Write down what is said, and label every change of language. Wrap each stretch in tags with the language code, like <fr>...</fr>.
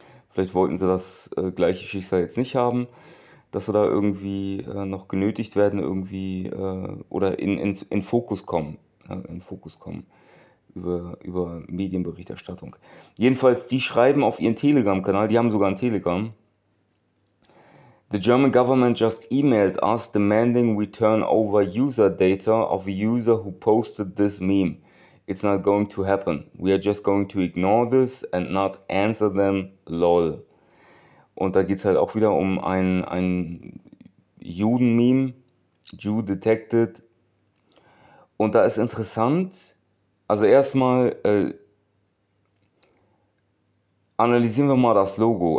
<de>Vielleicht wollten sie das gleiche Schicksal jetzt nicht haben, dass sie da irgendwie noch genötigt werden, irgendwie oder in Fokus kommen. In Fokus kommen über Medienberichterstattung. Jedenfalls, die schreiben auf ihren Telegram-Kanal, die haben sogar einen Telegram.</de> <en>The German government just emailed us demanding we turn over user data of a user who posted this meme. It's not going to happen. We are just going to ignore this and not answer them. Lol.</en> <de>Und da geht's halt auch wieder um ein Juden-Meme. Jew detected. Und da ist interessant, also erstmal analysieren wir mal das Logo.</de>